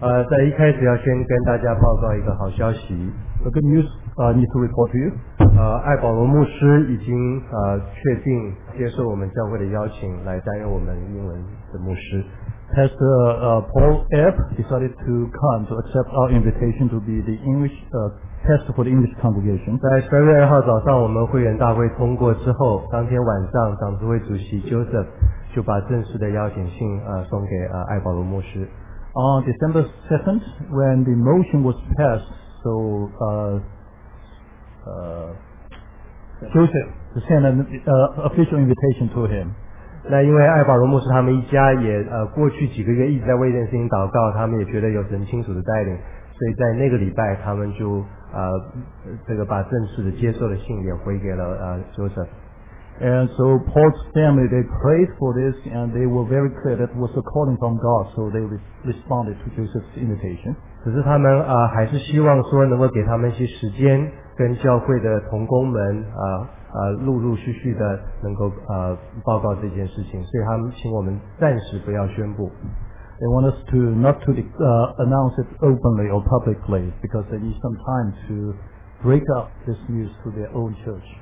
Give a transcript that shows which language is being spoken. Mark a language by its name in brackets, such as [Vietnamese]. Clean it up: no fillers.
[Chinese] 在一开始要先跟大家报告一个好消息。 [English] A good news need to report to you. [Chinese] 艾保罗牧师已经确定接受我们教会的邀请来担任我们英文的牧师。 [English] Pastor Paul Epp decided to come to accept our invitation to be the English pastor for the English congregation. [Chinese] 在12月2号早上我们会员大会通过之后，当天晚上长执会主席 Joseph 就把正式的邀请信送给艾保罗牧师。 [English] On December 7th, when the motion was passed, so Joseph sent an official invitation to him. [Chinese] 那因为艾保罗牧师他们一家也过去几个月一直在为这件事情祷告，他们也觉得有神清楚的带领，所以在那个礼拜他们就这个把正式的接受的信也回给了Joseph. [English] And so Paul's family, they prayed for this and they were very clear that it was a calling from God, so they responded to Joseph's invitation. [Chinese] 只是他们还是希望说能够给他们一些时间跟教会的同工们陆陆续续的能够报告这件事情，所以他们请我们暂时不要宣布。 [English] They want us to not to announce it openly or publicly because they need some time to break up this news to their own church.